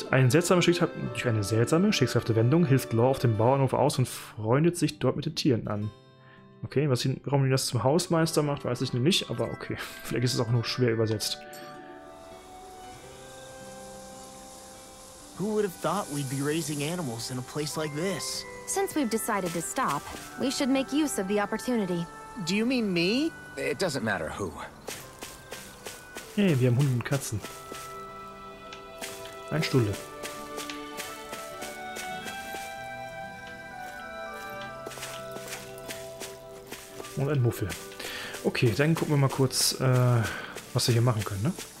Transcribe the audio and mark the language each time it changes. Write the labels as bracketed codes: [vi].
[de] Durch eine seltsame, schicksalhafte Wendung hilft Law auf dem Bauernhof aus und freundet sich dort mit den Tieren an. Okay, warum ihn das zum Hausmeister macht, weiß ich nämlich nicht, aber okay. Vielleicht ist es auch nur schwer übersetzt. [en] Who would have thought we'd be raising animals in a place like this? Since we've decided to stop, we should make use of the opportunity. Do you mean me? It doesn't matter who. [de] Hey, wir haben Hunde und Katzen. Ein Stulle. Und ein Muffel. Okay, dann gucken wir mal kurz, was wir hier machen können, ne?